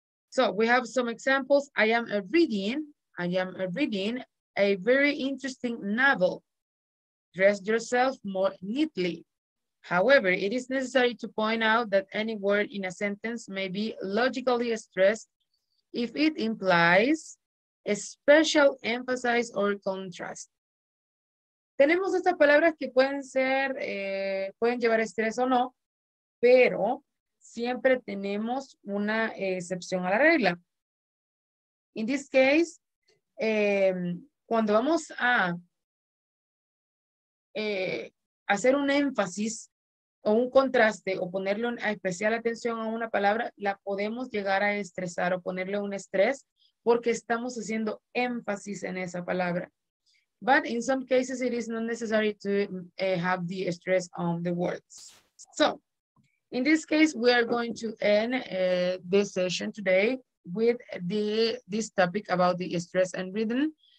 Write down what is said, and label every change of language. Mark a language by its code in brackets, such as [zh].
[en] So we have some examples. I am reading a very interesting novel. Dress yourself more neatly. However, it is necessary to point out that any word in a sentence may be logically stressed if it implies a special emphasis or contrast. [es] Tenemos estas palabras que pueden ser, pueden llevar estrés o no, pero siempre tenemos una excepción a la regla. [en] In this case, [es] cuando vamos a hacer un énfasis o un contraste o ponerle una especial atención a una palabra, la podemos llegar a estresar o ponerle un estrés porque estamos haciendo énfasis en esa palabra. [en] But in some cases, it is not necessary to have the stress on the words. So, in this case, we are going to end this session today with this topic about the stress and rhythm.